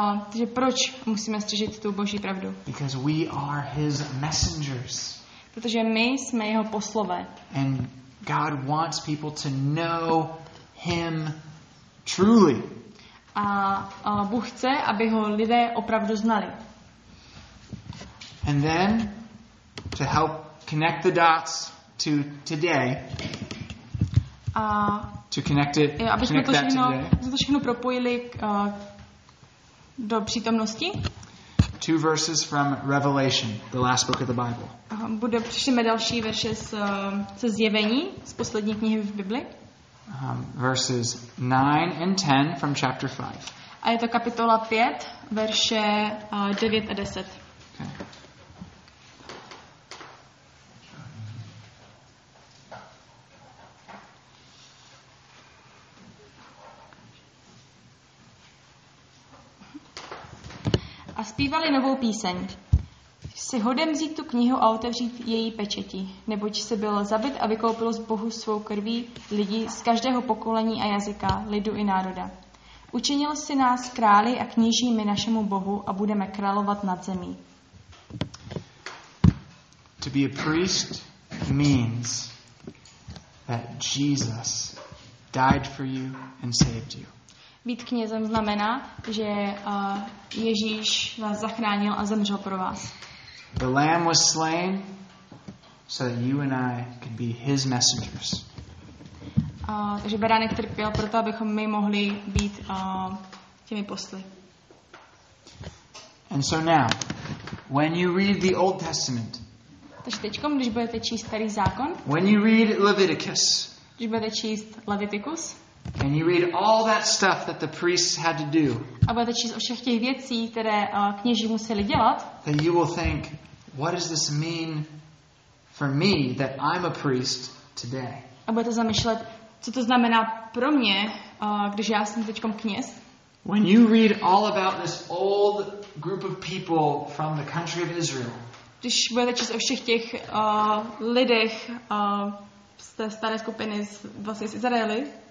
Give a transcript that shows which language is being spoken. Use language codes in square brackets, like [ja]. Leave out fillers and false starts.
[cs] Takže proč musíme střežit tu Boží pravdu? [en] Because we are his messengers. [cs] Protože my jsme jeho poslové. [en] And God wants people to know him truly. [cs] A Bůh chce, aby ho lidé opravdu znali. [en] And then to help connect the dots to today. To connect it, connect that today. [cs] To všechno propojili do přítomnosti. [en] Two verses from Revelation, the last book of the Bible. [cs] Bude přišlíme další verše ze Zjevení, z poslední knihy v Bibli. [en] Verses 9 and 10 from chapter 5. [cs] A je to kapitola 5, verše 9 a 10. Zpívali novou píseň. Jsi hodem vzít tu knihu a otevřít její pečeti, neboť se byl zabit a vykoupil z Bohu svou krví lidi z každého pokolení a jazyka, lidu i národa. Učinil jsi nás králi a knížími našemu Bohu a budeme královat nad zemí. [en] To be a priest means that Jesus died for you and saved you. [cs] Být knězem znamená, že Ježíš vás zachránil a zemřel pro vás. [en] The lamb was slain so that you and I could be his messengers. [cs] Takže beránek trpěl proto, abychom my mohli být těmi posly. [en] And so now, when you read the Old Testament. [cs] Takže teďkom, když budete číst Starý zákon. [en] When you read Leviticus. [cs] Když budete číst Leviticus. [en] And you read all that stuff that the priests had to do. [cs] A budete číst o všech těch věcí, které kněží museli dělat. [en] Then you will think, what does this mean for me that I'm a priest today? [cs] A budete zamýšlet, co to znamená pro mě, když já jsem teďkom kněz. [en] When you read all about this old group of people from the country of Israel. [cs] Když budete číst o všech těch lidech z té staré skupiny z Izraeli.